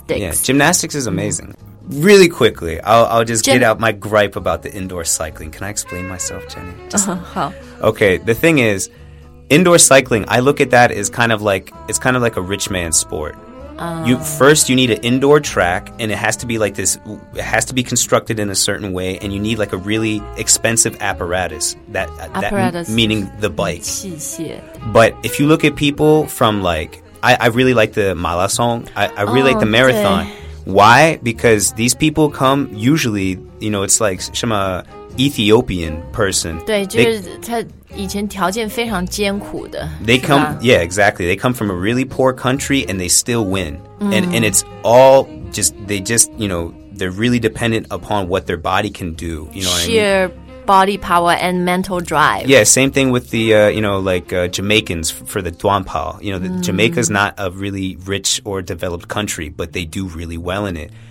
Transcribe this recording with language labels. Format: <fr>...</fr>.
<en>yeah gymnastics is amazing really quickly I'll just get out my gripe about the indoor cycling can I explain myself Jenny just, okay the thing is indoor cycling I look at that as kind of like it's kind of like a rich man's sportyou need an indoor track and it has to be like this it has to be constructed in a certain way and you need like a really expensive apparatus that, apparatus that meaning the bike</en> <zh>器械</zh> <en>but if you look at people from like I really like the marathon I really、 like the marathon、 okay. why because these people come usually you know it's like some Ethiopian person</en> <zh>对就是他以前条件非常艰苦的</zh> <en>They come, yeah, exactly. They come from a really poor country and they still win.、Mm. And it's all just, they just, you know, they're really dependent upon what their body can do. You know what I mean? Sheer body power and mental drive. Yeah, same thing with the, you know, like Jamaicans for the 短跑 You know, Jamaica's not a really rich or developed country, but they do really well in it.</en>